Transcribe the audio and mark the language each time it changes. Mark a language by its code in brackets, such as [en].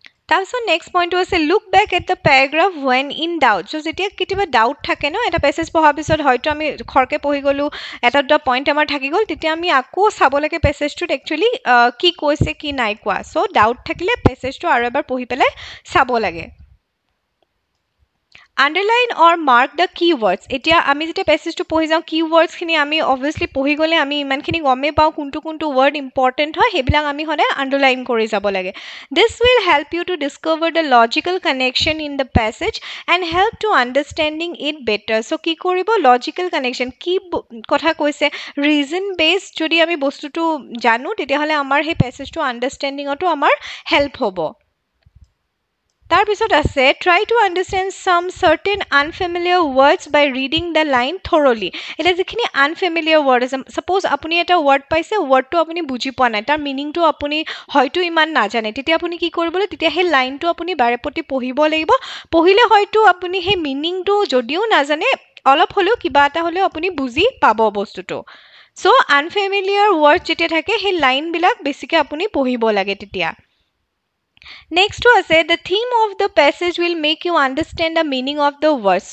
[as] তাৰপিছত নেক্সট পইণ্টটো আছে, [en] Look back at the paragraph when in doubt. [as] চ' যেতিয়া কেতিয়াবা ডাউট থাকে ন এটা পেছেজ পঢ়াৰ পিছত, হয়তো আমি খৰকৈ পঢ়ি গ'লোঁ, এটা দুটা পইণ্ট আমাৰ থাকি গ'ল, তেতিয়া আমি আকৌ চাব লাগে পেছেজটোত একচুৱেলি কি কৈছে কি নাই কোৱা। চ' ডাউট থাকিলে পেছেজটো আৰু এবাৰ পঢ়ি পেলাই চাব লাগে। [en] Underline or mark the key words. [as] এতিয়া আমি যেতিয়া পেছেজটো পঢ়ি যাওঁ, কী ৱৰ্ডছখিনি আমি অভিয়াছলি পঢ়ি গ'লে আমি ইমানখিনি গমেই পাওঁ কোনটো কোনটো ৱৰ্ড ইম্পৰ্টেণ্ট হয়, সেইবিলাক আমি সদায় আণ্ডাৰলাইন কৰি যাব লাগে। [en] This will help you to discover the logical connection in the passage and help to understanding it better. [as] চ' কি কৰিব, লজিকেল কানেকশ্যন, কি কথা কৈছে, ৰিজন বেছ যদি আমি বস্তুটো জানো, তেতিয়াহ'লে আমাৰ সেই পেছেজটো আণ্ডাৰষ্টেণ্ডিঙতো আমাৰ হেল্প হ'ব। তাৰপিছত আছে, [en] Try to understand some certain unfamiliar words by reading the line thoroughly. [as] এতিয়া যিখিনি আনফেমিলিয়াৰ ৱৰ্ড আছে, চাপ'জ আপুনি এটা ৱৰ্ড পাইছে, ৱৰ্ডটো আপুনি বুজি পোৱা নাই, তাৰ মিনিংটো আপুনি হয়তো ইমান নাজানে, তেতিয়া আপুনি কি কৰিব লাগিব, তেতিয়া সেই লাইনটো আপুনি বাৰে প্ৰতি পঢ়িব লাগিব। পঢ়িলে হয়তো আপুনি সেই মিনিংটো যদিও নাজানে, অলপ হ'লেও কিবা এটা হ'লেও আপুনি বুজি পাব বস্তুটো। চ' আনফেমিলিয়াৰ ৱৰ্ডছ যেতিয়া থাকে, সেই লাইনবিলাক বেছিকৈ আপুনি পঢ়িব লাগে তেতিয়া। নেক্সটো আছে, [en] The theme of the passage will make you understand the meaning of the words.